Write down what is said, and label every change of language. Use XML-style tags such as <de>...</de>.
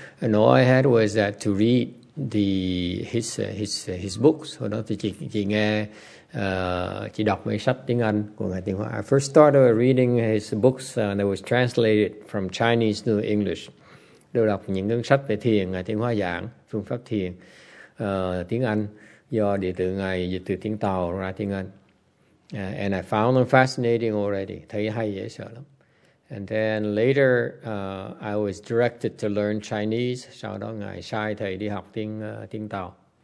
<en>And all I had was that to read his books.</en> <vi>Hồi đó thì chị nghe chị đọc mấy sách tiếng Anh của Ngài Tiên Hóa.</vi> <en>I first started reading his books that was translated from Chinese to English.</en> <vi>Đều đọc những cuốn sách về thiền Ngài Tiên Hóa giảng phương pháp thiền tiếng Anh do đệ tử Ngài dịch từ tiếng Tàu ra tiếng Anh.</vi> <en>And I found them fascinating already.</en> <vi>Thấy hay dễ sợ lắm.</vi> <en>And then later, I was directed to learn Chinese.</en> <vi>Sau đó ngài sai thầy đi học tiếng tiếng Tàu.</vi>